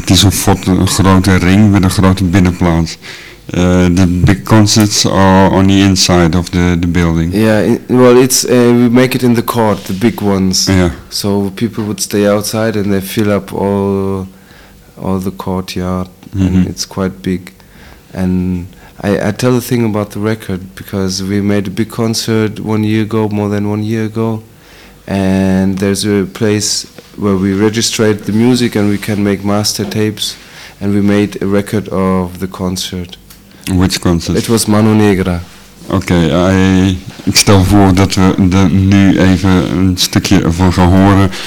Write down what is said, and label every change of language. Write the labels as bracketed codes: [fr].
[nl] Het is een grote ring met een grote binnenplaats. [en] The big concerts are on the inside of the building. Yeah, we make it in the court, the big ones. Yeah. So people would stay outside and they fill up all the courtyard, mm-hmm. and it's quite big. And I tell the thing about the record, because we made a big concert more than one year ago, and there's a place where we registrate the music and we can make master tapes, and we made a record of the concert. Which concert? It was Mano Negra. [nl] Okay, ik stel voor dat we er nu even een stukje van gaan horen.